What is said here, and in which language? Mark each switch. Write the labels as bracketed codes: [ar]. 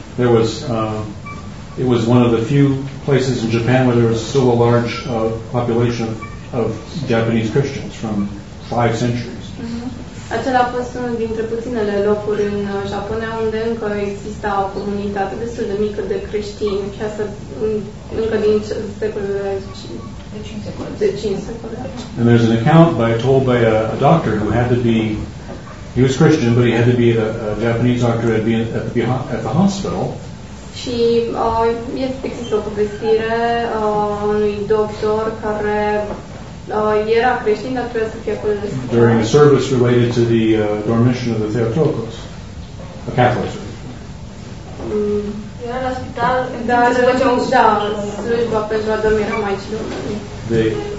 [en] There was it was one of the few places in Japan where there was still a large population of Japanese Christians from 5 centuries. Mm-hmm. [ro] Acela a fost unul dintre puținele locuri în Japonia unde încă exista o comunitate destul de mică de creștini, și asta încă din secolele de 5 secole. [en] And there's an account told by a doctor who had to be. He was Christian, but he had to be a Japanese doctor who had been at the hospital. [ro] Și există o povestire a unui doctor care era creștin, dar trebuia să fie acolo de spital. [en] During a service related to the dormition of the Theotokos, a Catholic service. [ro] Era la spital, slujba pentru adormirea maicilor.